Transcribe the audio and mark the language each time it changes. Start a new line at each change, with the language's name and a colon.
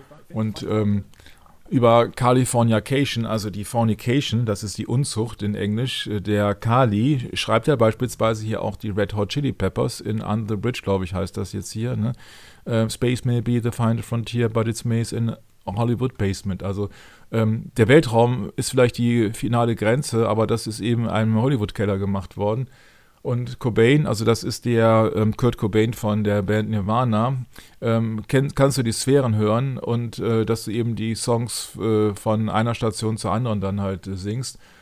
German: Und über Californication, also die Fornication, das ist die Unzucht in Englisch, der Kali schreibt ja beispielsweise hier auch die Red Hot Chili Peppers in Under the Bridge, glaube ich, heißt das jetzt hier. Ne?
English: Space may be the final frontier, but it's maze in a Hollywood basement.
German: Also der Weltraum ist vielleicht die finale Grenze, aber das ist eben einem Hollywood-Keller gemacht worden. Und Cobain, also das ist der Kurt Cobain von der Band Nirvana, kannst du die Sphären hören und dass du eben die Songs von einer Station zur anderen dann halt singst.